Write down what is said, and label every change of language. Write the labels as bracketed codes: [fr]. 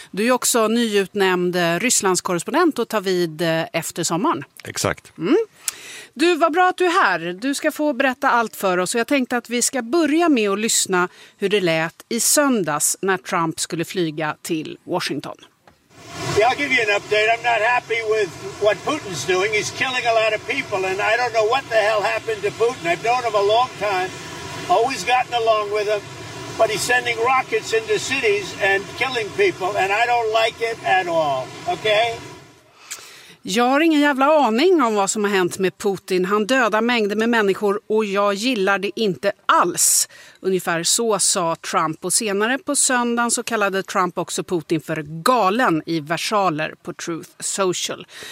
[sv] Du är också nyutnämnd Rysslands korrespondent och tar vid efter sommaren. Exakt. Mm. Du, vad bra att du är här. Du ska få berätta allt för oss. Och jag tänkte att vi ska börja med att lyssna hur det lät i söndags när Trump skulle flyga till Washington. [en] Yeah, I'll give you an update. I'm not happy with what Putin's doing. He's killing a lot of people, and I don't know what the hell happened to Putin. I've known him a long time, always gotten along with him, but he's sending rockets into cities and killing people, and I don't like it at all, okay? [sv] Jag har ingen jävla aning om vad som har hänt med Putin. Han dödar mängder med människor och jag gillar det inte alls. Ungefär så sa Trump, och senare på söndagen så kallade Trump också Putin för galen i versaler på Truth Social.